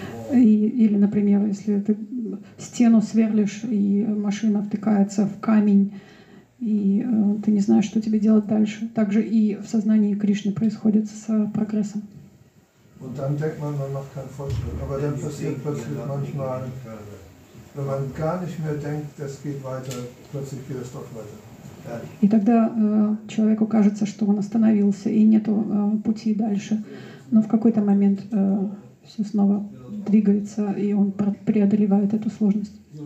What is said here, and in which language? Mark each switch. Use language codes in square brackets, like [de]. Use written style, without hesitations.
[ru] Или, например, если ты стену сверлишь, и машина втыкается в камень, и ты не знаешь, что тебе делать дальше. Также и в сознании Кришны происходит с прогрессом. [de] Und dann denkt man, man macht keinen Fortschritt. Aber dann passiert plötzlich manchmal, wenn man gar nicht mehr denkt, das geht weiter, plötzlich geht es doch weiter. [ru] И тогда человеку кажется, что он остановился и нет пути дальше. Но в какой-то момент все снова двигается, и он преодолевает эту сложность.